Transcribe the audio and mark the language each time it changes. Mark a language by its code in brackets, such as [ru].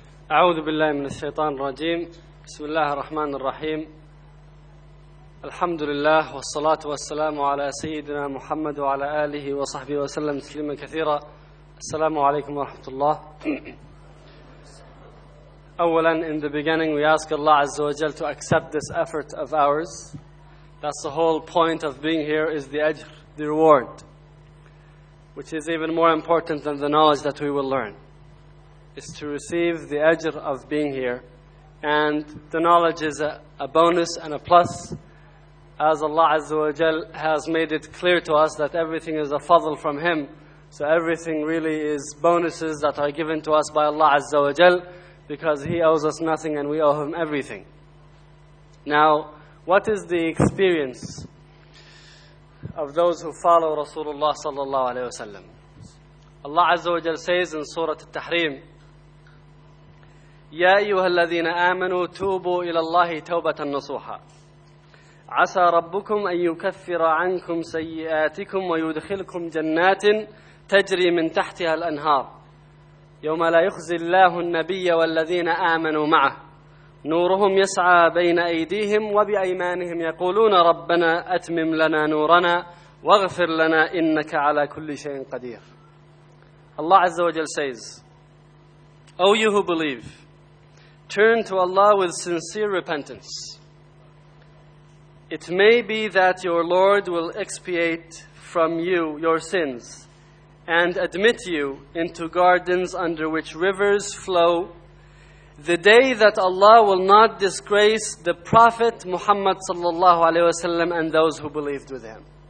[ar] أعوذ بالله من الشيطان الرجيم بسم الله الرحمن الرحيم الحمد لله والصلاة والسلام على سيدنا محمد وعلى آله وصحبه وسلم تسليما كثيرا السلام عليكم ورحمة الله أولا [en] in the beginning we ask Allah عز وجل to accept this effort of ours. That's the whole point of being here, is the ajr, the reward, which is even more important than the knowledge that we will learn. Is to receive the ajr of being here. And the knowledge is a bonus and a plus, as Allah Azza wa Jal has made it clear to us that everything is a fadl from Him. So everything really is bonuses that are given to us by Allah Azza wa Jal, because He owes us nothing and we owe Him everything. Now, what is the experience of those who follow Rasulullah sallallahu alayhi wa sallam? Allah Azza wa Jal says in Surah Al-Tahrim, [ar] يَا أَيُّهَا الَّذِينَ آمَنُوا تُوبُوا إِلَى اللَّهِ تَوْبَةً نَصُوحًا عَسَى رَبُّكُمْ أَنْ يُكَفِّرَ عَنْكُمْ سَيِّئَاتِكُمْ وَيُدْخِلْكُمْ جَنَّاتٍ تَجْرِي مِنْ تَحْتِهَا الْأَنْهَارِ يَوْمَ لَا يُخْزِي اللَّهُ النَّبِيَّ وَالَّذِينَ آمَنُوا مَعَهُ نُورُهُمْ يَسْعَى بَيْنَ أَيْدِيهِمْ وَبِأَيْمَانِهِمْ يَقُولُونَ رَبَّنَا أَتْمِمْ لَنَا نُورَنَا وَاغْفِرْ لَنَا إِنَّكَ عَلَى كُلِّ شَيْءٍ قَدِيرٌ الله عز وجل says, [en] O you who believe, turn to Allah with sincere repentance. It may be that your Lord will expiate from you your sins and admit you into gardens under which rivers flow, the day that Allah will not disgrace the Prophet Muhammad sallallahu alaihi wasallam and those who believed with him.